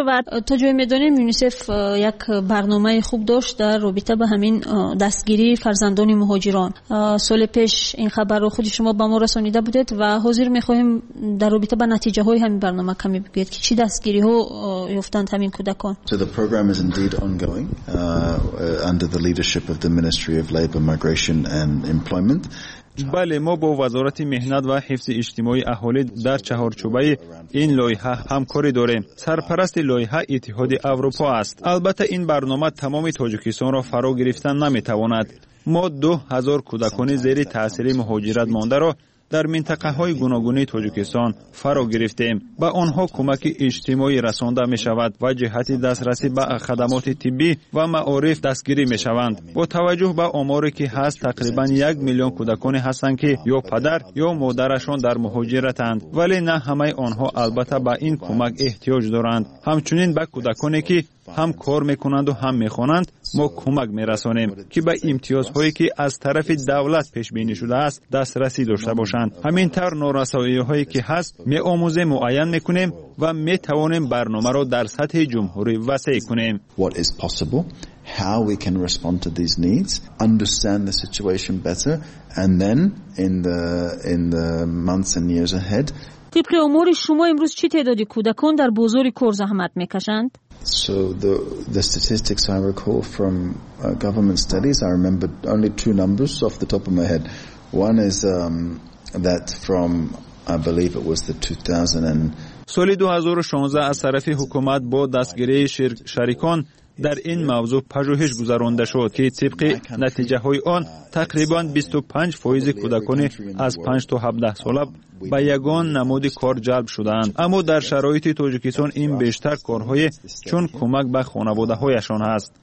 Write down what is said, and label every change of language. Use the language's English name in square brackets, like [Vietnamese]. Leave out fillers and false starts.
[Persian] و تا جایی می‌دانیم یونیسف یک برنامه خوب داشت در رابطه به همین دستگیری فرزندان مهاجران. سال پیش این خبر رو خود شما به ما رسانیده بودید و حاضر می‌خواهیم در رابطه به نتیجه های همین برنامه کمی بگید که چی دستگیری ها یافتند همین کودکان. [English] So the program is indeed ongoing under the leadership of the Ministry of Labour, Migration and Employment. [Persian] بله، ما با وزارت مهنت و حفظ اجتماعی اهالی در چهارچوبه این لایحه همکاری داریم. سرپرست لایحه اتحاد اروپا است. البته این برنامه تمام تاجیکستان را فرا گرفتن نمی تواند. ما 2000 کودکان زیر تاثیر مهاجرت مانده را در منطقه های گوناگونی تاجیکستان فرا گرفتیم. به آنها کمک اجتماعی رسانده می شود و جهت دسترسی به خدمات طبی و معارف دستگیری می شوند. با توجه به آماری که هست، تقریبا 1 میلیون کودکان هستند که یا پدر یا مادرشان در مهاجرتند، ولی نه همه آنها البته به این کمک احتیاج دارند. همچنین به کودکانی که هم کار میکنند و هم میخوانند ما کمک میرسانیم که به امتیازهایی که از طرف دولت پیش بینی شده است دسترسی داشته باشند. همین طور نورسایی هایی که هست میآموزیم، معین میکنیم و میتوانیم برنامه را در سطح جمهوری وسیع کنیم. [English] What is possible, how we can respond to these needs, understand the situation better, and then in the months and years ahead. [Persian] طبق امور شما امروز چی تعداد کودکان در بازار کار زحمت میکشند؟ [English] So the statistics I recall from government studies, I remember only two numbers off the top of my head. One is that from, I believe it was the 2000. [Persian] سالی 2016 از طرف حکومت با دستگیری شریکان در این موضوع پژوهش گذرانده شد که طبق نتیجه های آن تقریبا 25% کودکان از 5 تا 17 ساله به یگان نمود کار جلب شدند. اما در شرایط تاجیکستان این بیشتر کارهای چون کمک به خانواده هایشان هست.